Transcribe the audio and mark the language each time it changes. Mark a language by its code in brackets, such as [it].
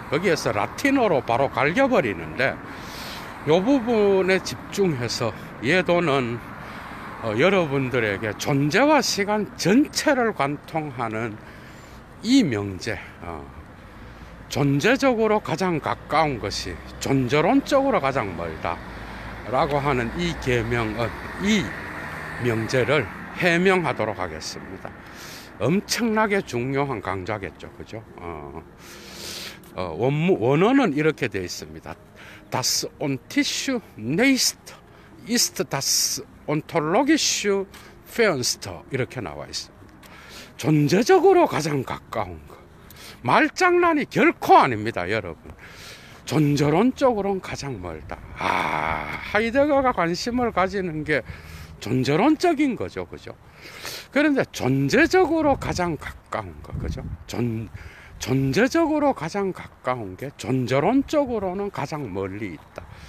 [ko] 거기에서 라틴어로 바로 갈겨버리는데, 이 부분에 집중해서 얘도는 여러분들에게 존재와 시간 전체를 관통하는 이 명제, 존재적으로 가장 가까운 것이 존재론적으로 가장 멀다라고 하는 이 계명은, 이 명제를 해명하도록 하겠습니다. 엄청나게 중요한 강좌겠죠, 그죠? 원어는 이렇게 되어 있습니다. [de] Das Ontische Nächst ist das Ontologische Fernst. [ko] 이렇게 나와 있습니다. 존재적으로 가장 가까운 것. 말장난이 결코 아닙니다, 여러분. 존재론적으로는 가장 멀다. 아, 하이데거가 관심을 가지는 게 존재론적인 거죠, 그죠? 그런데 존재적으로 가장 가까운 거, 그죠? 존재적으로 가장 가까운 게 존재론적으로는 가장 멀리 있다.